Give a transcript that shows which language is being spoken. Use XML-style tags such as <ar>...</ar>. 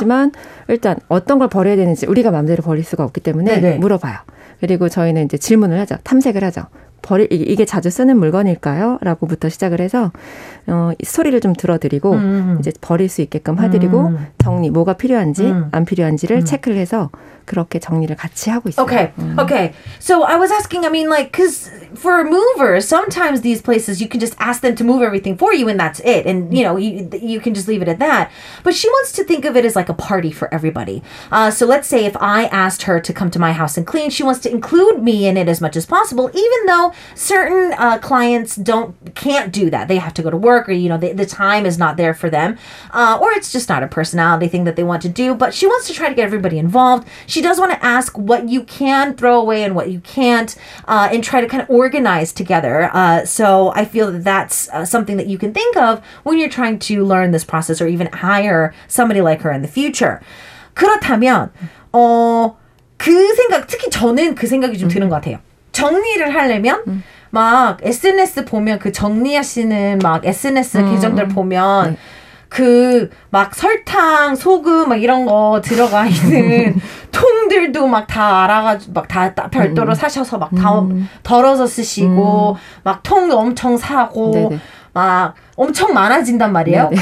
<ko>있지만 일단 어떤 걸 버려야 되는지 우리가 마음대로 버릴 수가 없기 때문에 물어봐요. 그리고 저희는 이제 질문을 하죠. 탐색을 하죠. 이게 자주 쓰는 물건일까요? 라고부터 시작을 해서 스토리를 좀 들어드리고 이제 버릴 수 있게끔 해드리고 정리, 뭐가 필요한지 안 필요한지를 체크를 해서 그렇게 정리를 같이 하고 있어요.</ko> <en>Okay. So I was asking, I mean like, because for movers, sometimes these places you can just ask them to move everything for you and that's it. And you know, you can just leave it at that. But she wants to think of it as like a party for everybody. So let's say if I asked her to come to my house and clean, she wants to include me in it as much as possible, even though certain clients can't do that. They have to go to work or, you know, the time is not there for them. Or it's just not a personality thing that they want to do. But she wants to try to get everybody involved. She does want to ask what you can throw away and what you can't and try to kind of organize together. So I feel that that's something that you can think of when you're trying to learn this process or even hire somebody like her in the future.</en> <ko>그렇다면 그 생각, 특히 저는 그 생각이 좀 드는 것 같아요. 정리를 하려면 막 SNS 보면 그 정리하시는 막 SNS 계정들 보면 그 막 설탕, 소금 막 이런 거 들어가 있는 통들도 막 다 알아가지고 막 다 별도로 사셔서 막 다 덜어서 쓰시고 막 통 엄청 사고 막 엄청 많아진단 말이에요. 네네.</ko>